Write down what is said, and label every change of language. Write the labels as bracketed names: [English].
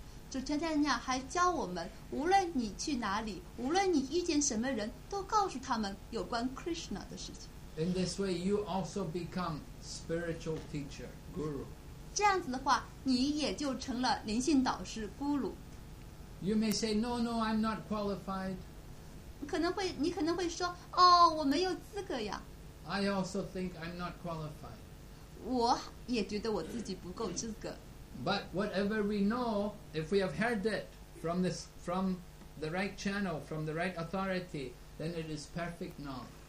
[Chinese] 主权太娘还教我们，无论你去哪里，无论你遇见什么人，都告诉他们有关 Krishna 的事情。 [English] In this way, you also become spiritual teacher, guru. [Chinese] 这样子的话，你也就成了灵性导师 guru. [English] You may say, "No, no, I'm not qualified." [Chinese] 可能会，你可能会说，哦，我没有资格呀。 [English] I also think I'm not qualified. [Chinese] 我也觉得我自己不够资格。 [English] But whatever we know, if we have heard it from this, from the right channel, from the right authority, then it is perfect knowledge.